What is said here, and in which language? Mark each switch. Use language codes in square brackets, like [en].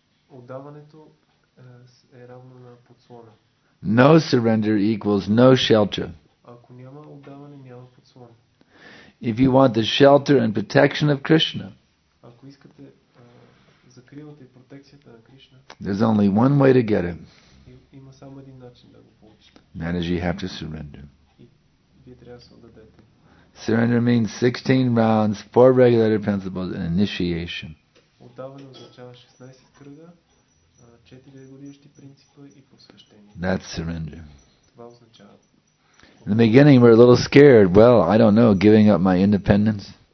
[bg] Отдаването е равно на подслона. [en] No surrender equals no shelter. [bg] Ако няма отдаване, няма подслон. [en] If you want the shelter and protection of Krishna, [bg] ако искате закрилата и протекцията на Кришна, [en] there's only one way to get it. [bg] Има само един начин да го получите. [en] That is, you have to surrender. [bg] И вие трябва да се отдадете. [en] Surrender means 16 rounds, four regulated principles and initiation. [bg] Отдаване означава 16 кръга, 4 регулиращи принципа и посвещение. [en] That's surrender. [bg] Това означава. [en] In the beginning, we're a little scared. Well, I don't know, giving up my independence.